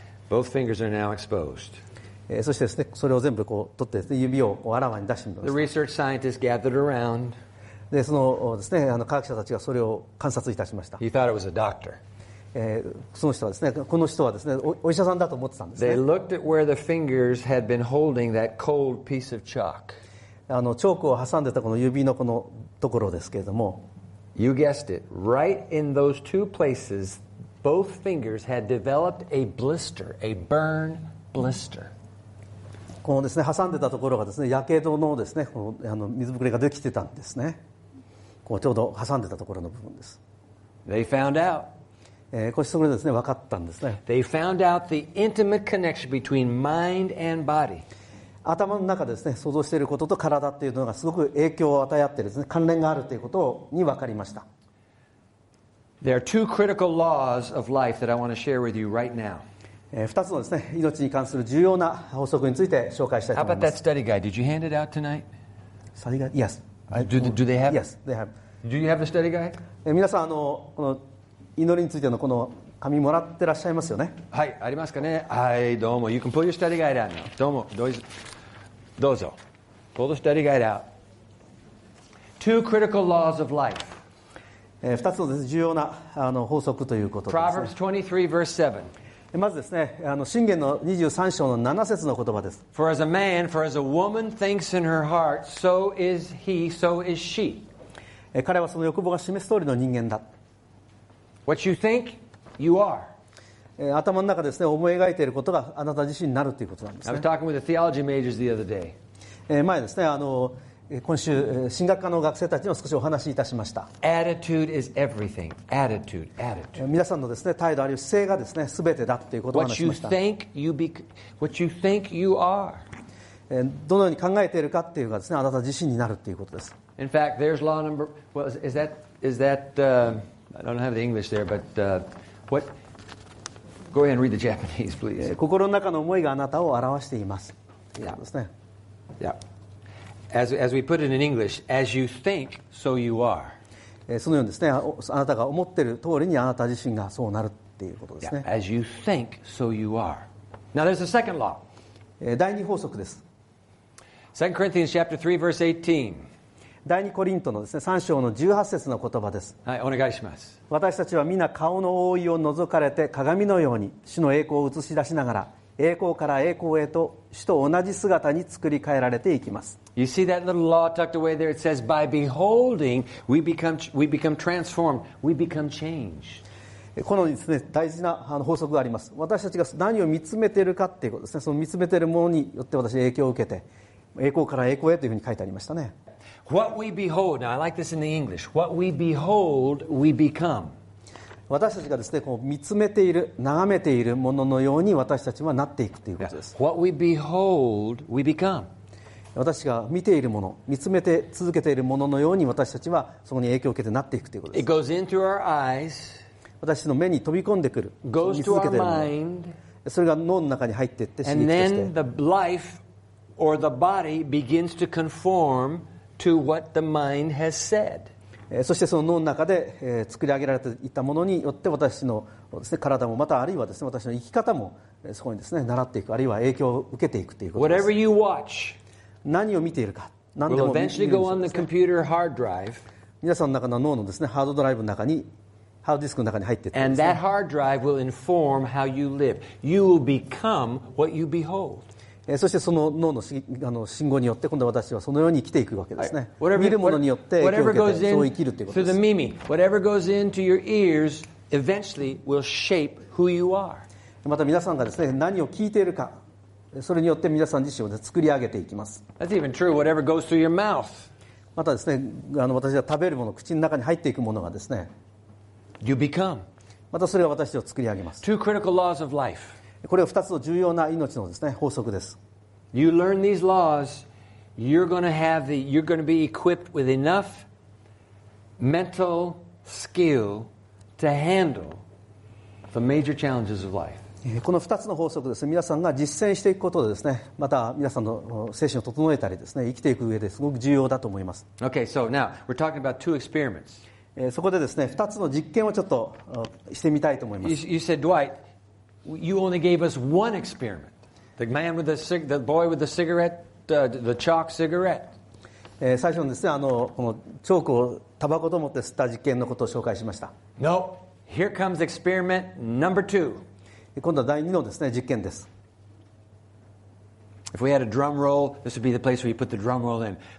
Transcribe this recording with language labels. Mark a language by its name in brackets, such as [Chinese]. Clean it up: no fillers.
[English] Both fingers are now exposed. [Japanese] そしてですね、それを全部こう取って、指をこうあらわに出してみました。 [English] The research scientists gathered around. [Japanese] で、そのですね、科学者たちがそれを観察いたしました。 [English] He thought it was a doctor. [Japanese] その人はですね、この人はですね、お医者さんだと思ってたんですね。 [English] They looked at where the fingers had been holding that cold piece of chalk. [Japanese] あのチョークを挟んでたこの指のこのところですけれども。 [English] You guessed it. Right in those two places, both fingers had developed a blister, a burn blister. [Japanese] このですね、挟んでたところがですね、やけどのですね、このあの水ぶくれができてたんですね。こうちょうど挟んでたところの部分です。 [English] They found out. [Japanese] こうしてそれですね、分かったんですね。 [English] They found out the intimate connection between mind and body. [Japanese] 頭の中ですね、想像していることと体っていうのがすごく影響を与え合ってですね、関連があるということに分かりました。 [English] There are two critical laws of life that I want to share with you right now. [Japanese] 2つのですね、命に関する重要な法則について紹介したいと思います。 [English] How about that study guide? Did you hand it out tonight? Study guide? Yes. Do they have? Yes, they have. Do you have the study guide? [Japanese] 皆さん、あの、この祈りについてのこの紙もらってらっしゃいますよね。はい、ありますかね。はい、どうも。 [English] You can pull your study guide out now. [Japanese] どうも。どうぞ。 [English] Pull the study guide out. Two critical laws of life. [Japanese] 二つのです、重要なあの法則ということですね。 [English] Proverbs 23 verse 7. [Japanese] まずですね、あの箴言の23章の7節の言葉です。 [English] For as a man, for as a woman thinks in her heart, so is he, so is she. [Japanese] 彼はその欲望が示す通りの人間だ。 [English] What you think? You are. [Japanese] 頭の中ですね、思い描いていることがあなた自身になるということなんですね。 [English] I was talking with the theology majors the other day. [Japanese] 前ですね、あの今週神学科の学生たちにも少しお話しいたしました。 [English] Attitude is everything. Attitude, attitude. [Japanese] 皆さんのですね、態度あるいは姿勢がですね、すべてだということを話しました。 [English] What you think you are. [Japanese] どのように考えているかっていうかですね、あなた自身になるということです。 [English] In fact, there's law number. Well, I don't have the English there, but. What? Go ahead and read the Japanese, please. [Japanese] 心の中の思いがあなたを表しています。 [English] Yeah. [Japanese] ですね。 [English] Yeah. As we put it in English, as you think, so you are. [Japanese] そのようにですね、あなたが思ってる通りにあなた自身がそうなるっていうことですね。 [English] Yeah. As you think, so you are. Now there's a second law. [Japanese] 第二法則です。 [English] 2 Corinthians chapter 3 verse 18. [Japanese] 第二コリントのですね、3章の18節の言葉です。はい、お願いします。私たちは皆顔の覆いを覗かれて鏡のように主の栄光を映し出しながら栄光から栄光へと主と同じ姿に作り変えられていきます。 [English] You see that little law tucked away there? It says, by beholding, we become transformed. We become changed. [Japanese] このですね、大事な法則があります。私たちが何を見つめているかっていうことですね、その見つめているものによって私は影響を受けて栄光から栄光へというふうに書いてありましたね。 [English] What we behold, now I like this in the English. What we behold, we become. [Japanese] 私たちがですね、こう見つめている、眺めているもののように私たちはなっていくということです。 [English] Yeah. What we behold, we become. [Japanese] 私が見ているもの、見つめて続けているもののように私たちはそこに影響を受けてなっていくということです。 [English] It goes into our eyes. [Japanese] 私の目に飛び込んでくる。 [English] Goes to our mind. [Japanese] それが脳の中に入っていって刺激として。 [English] And then the life or the body begins to conform. To what the mind has said. [Japanese] そしてその脳の中で作り上げられていたものによって私のですね、体もまたあるいはですね、私の生き方もそこにですね、習っていくあるいは影響を受けていくということです。 [English] Whatever you watch, [Japanese] 何を見ているか、何でも見るんですね。 [English] Eventually go on the computer hard drive. [Japanese] 皆さんの中の脳のですね、ハードドライブの中に、ハードディスクの中に入っていってですね。 [English] And that hard drive will inform how you live. You will become what you behold. [Japanese] そしてその脳の信号によって今度は私はそのように生きていくわけですね。 Whatever, 見るものによって影響を受けてそう生きるということです。 [English] Through the mimi, whatever goes into your ears eventually will shape who you are. [Japanese] また皆さんがですね、何を聞いているか、それによって皆さん自身を作り上げていきます。 [English] That's even true. Whatever goes through your mouth. [Japanese] またですね、あの私が食べるもの、口の中に入っていくものがですね、 [English] you become. [Japanese] またそれが私を作り上げます。 [English] Two critical laws of life. [Japanese] これは2つの重要な命のですね、法則です。 [English] You learn these laws, you're going to be equipped with enough mental skill to handle the major challenges of life. [Japanese] この2つの法則ですね、皆さんが実践していくことでですね、また皆さんの精神を整えたりですね、生きていく上ですごく重要だと思います。 [English] Okay, so now we're talking about two experiments. [Japanese] そこでですね、2つの実験をちょっとしてみたいと思います。 [English] You said, Dwight,You only gave us one experiment. The man with the boy with the cigarette, the chalk cigarette. [Japanese] 最初にですね、あのこのチョークをタバコと思って吸った実験のことを紹介しました。 [English] No, here comes experiment number two. [Japanese] 今度は第二のですね、実験です。 [English] If we had a drum roll, this would be the place where you put the drum roll in.